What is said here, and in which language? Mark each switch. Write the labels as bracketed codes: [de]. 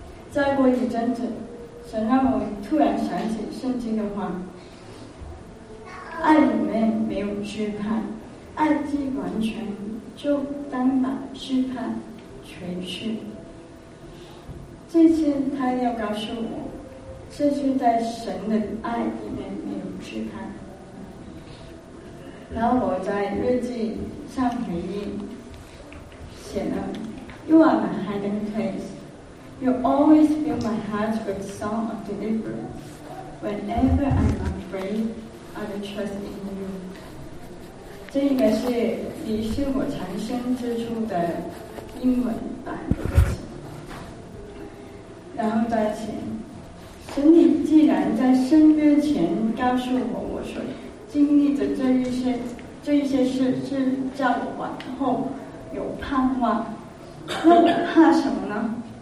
[zh] 再过一阵子，神让我突然想起圣经的话，爱里面没有惧怕，爱既完全就当把惧怕全去。这些他要告诉我，这是在神的爱里面没有惧怕。然后我在日记上回忆写了 [en] You are my hiding place, You always fill my heart with song of deliverance, Whenever I'm afraid, I will trust in you。 [zh] 这应该是你是我藏身之处的英文版。然后在前，神你既然在深渊前告诉我，我所经历的这一些事是叫我往后有盼望，那我怕什么呢？